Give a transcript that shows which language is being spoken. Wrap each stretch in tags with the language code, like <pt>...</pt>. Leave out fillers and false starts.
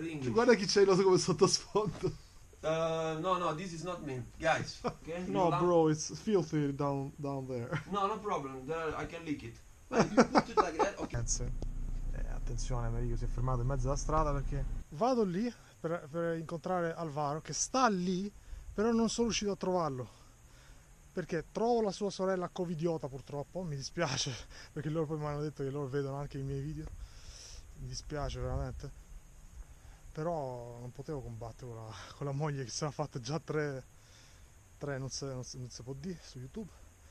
<it>Guarda chi c'è come sottosfondo.</it> <en>No, this is not me, guys. Okay? No, bro, it's filthy down there. No problem, there, I can lick it. But if you put it like that, okay. That's it.</en> <it>attenzione, Merigo si è fermato in mezzo alla strada perché vado lì per incontrare Alvaro che sta lì, però non sono riuscito a trovarlo perché trovo la sua sorella covidiota, purtroppo mi dispiace perché loro poi mi hanno detto che loro vedono anche i miei video, mi dispiace veramente, però non potevo combattere con la moglie che si era fatta già tre non si può dire su YouTube.</it>